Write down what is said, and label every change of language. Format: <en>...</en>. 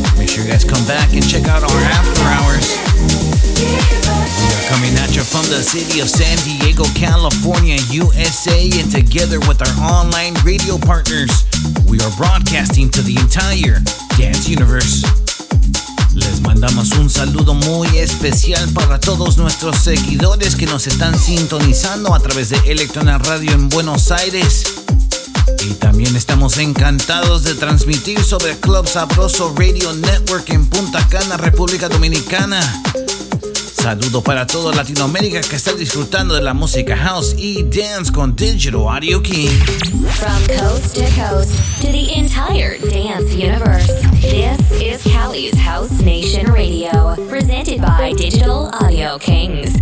<en>Make sure you guys come back and check out our after hours. We are coming at you from the city of San Diego, California, USA, and together with our online radio partners, we are broadcasting to the entire dance universe.</en> <es>Les mandamos un saludo muy especial para todos nuestros seguidores que nos están sintonizando a través de Electrona Radio en Buenos Aires. Y también estamos encantados de transmitir sobre Club Sabroso Radio Network en Punta Cana, República Dominicana. Saludo para toda Latinoamérica que está disfrutando de la música house y dance con Digital Audio King.</es> <en>From coast to coast to the entire dance universe, this is Cali's House Nation Radio, presented by Digital Audio Kings.</en>